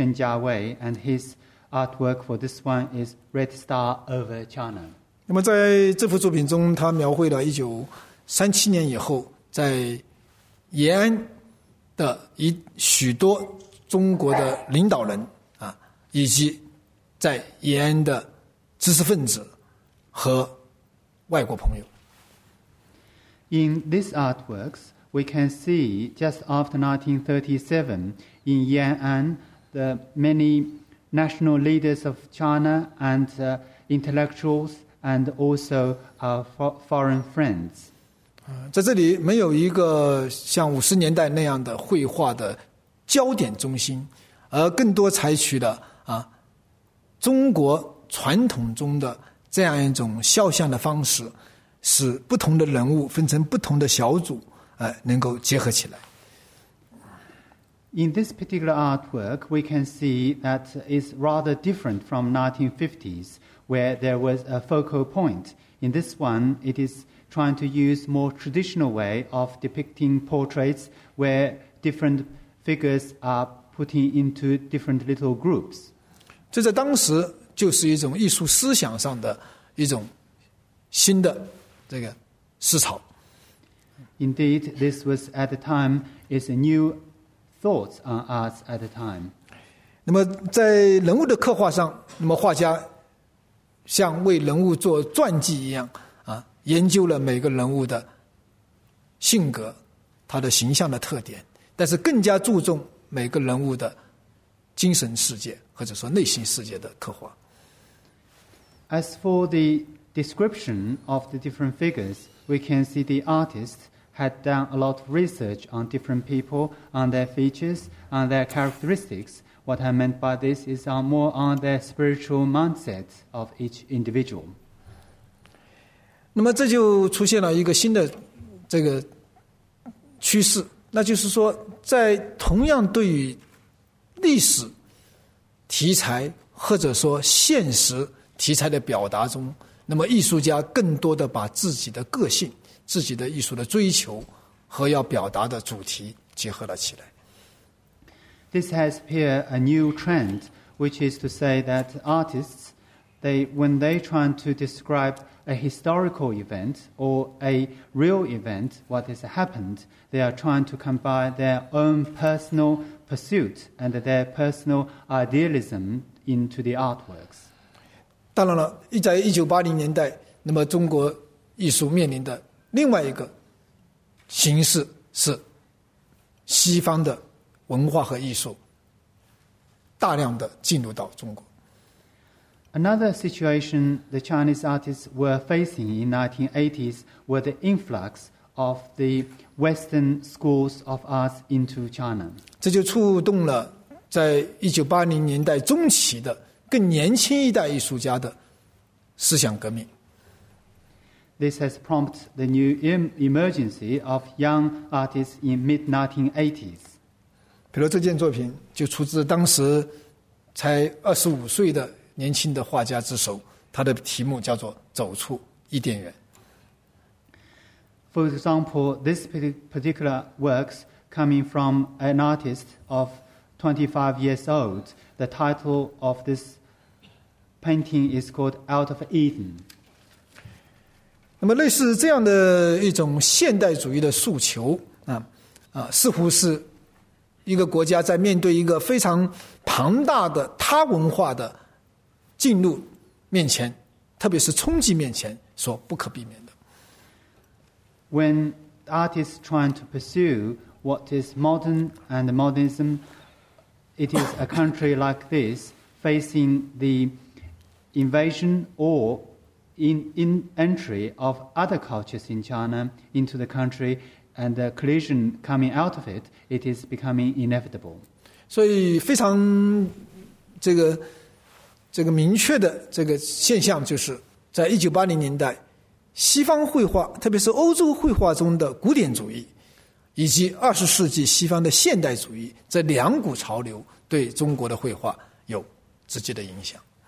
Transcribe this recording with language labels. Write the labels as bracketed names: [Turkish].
[English] Shen Jiawei, and his artwork for this one is Red Star Over China. [Chinese] 那么在这幅作品中，他描绘了1937年以后在延安的许多中国的领导人以及在延安的知识分子和外国朋友。 [English] In these artworks, we can see just after 1937, in Yan'an, the many national leaders of China and intellectuals and also our foreign friends. [Chinese] 在这里没有一个像五十年代那样的绘画的焦点中心，而更多采取了中国传统中的这样一种肖像的方式，使不同的人物分成不同的小组能够结合起来。 [English] In this particular artwork, we can see that it's rather different from 1950s, where there was a focal point. In this one, it is... trying to use more traditional way of depicting portraits where different figures are putting into different little groups. [Chinese] 这在当时就是一种艺术思想上的一种新的这个思潮。 [English] Indeed, this was at the time is a new thought on arts at the time. [Chinese] 那么在人物的刻画上，那么画家像为人物做传记一样啊，研究了每个人物的性格、他的形象的特点，但是更加注重每个人物的精神世界或者说内心世界的刻画。 [English] As for the description of the different figures, we can see the artist had done a lot of research on different people, on their features, on their characteristics. What I meant by this is more on the spiritual mindset of each individual. [Chinese] 那么这就出现了一个新的这个趋势，那就是说在同样对于历史题材或者说现实题材的表达中，那么艺术家更多的把自己的个性、自己的艺术的追求和要表达的主题结合了起来。 [English] This has appeared a new trend, which is to say that artists, when they try to describe a historical event or a real event, what has happened, they are trying to combine their own personal pursuit and their personal idealism into the artworks. [Chinese] 当然了，在1980年代，那么中国艺术面临的另外一个形式是西方的文化和艺术大量的进入到中国。 [English] Another situation the Chinese artists were facing in 1980s were the influx of the Western schools of arts into China. [Chinese] 这就触动了在1980年代中期的更年轻一代艺术家的思想革命。 [English] This has prompted the new emergency of young artists in mid-1980s. [Chinese] 比如这件作品就出自当时才25岁的年轻的画家之手，他的题目叫做《走出伊甸园》。 [English] For example, this particular works coming from an artist of 25 years old. The title of this painting is called Out of Eden. [Chinese] 那么类似这样的一种现代主义的诉求似乎是一个国家在面对一个非常庞大的他文化的进入面前，特别是冲击面前所不可避免的。 [English] When artists trying to pursue what is modern and modernism, it is a country like this facing the invasion or in entry of other cultures in China into the country and the collision coming out of it, it is becoming inevitable. [Chinese] 所以非常这个明确的这个现象就是在1980年代西方绘画特别是欧洲绘画中的古典主义以及20世纪西方的现代主义这两股潮流对中国的绘画有直接的影响。